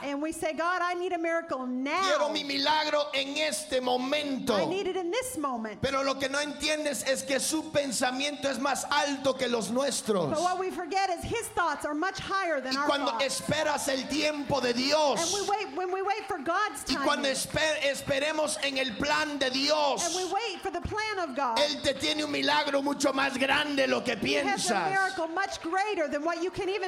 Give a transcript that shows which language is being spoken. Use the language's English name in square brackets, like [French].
[English] And we say, God, I need a miracle now. [Spanish] Quiero mi milagro en este momento. [English] I need it in this moment. [Spanish] Pero lo que no entiendes es que su pensamiento es más alto que los nuestros. [English] But what we forget is his thoughts are much higher than our thoughts. [Spanish] Y cuando esperas el tiempo de Dios, [English] and when we wait for God's timing, [Spanish] y cuando esperemos en el plan de Dios, [English] and we wait for the plan of God, [Spanish] él te tiene un milagro mucho más grande lo que piensas. [English] He has a miracle much greater than what you can even